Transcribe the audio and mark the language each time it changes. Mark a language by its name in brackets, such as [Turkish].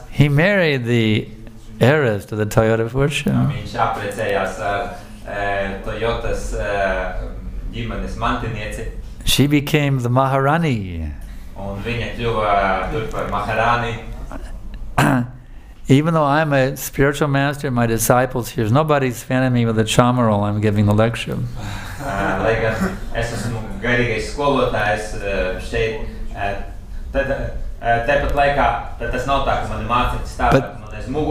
[English] He married the heiress to the Toyota fortune. [Latvian] Viņš aprecējās Toyotas ģimenes mantinieci. [English] She became the Maharani. [Latvian] Un viņa kļuva tur par Maharani. [English] Even though I'm a spiritual master, my disciples here, nobody's fanning me with a chamarol, I'm giving the lecture. [Latvian] Lai gan es esmu garīgais skolotājs šeit, tāpat laikā, tad tas nav tā, ka mani mācīt stāvēt, man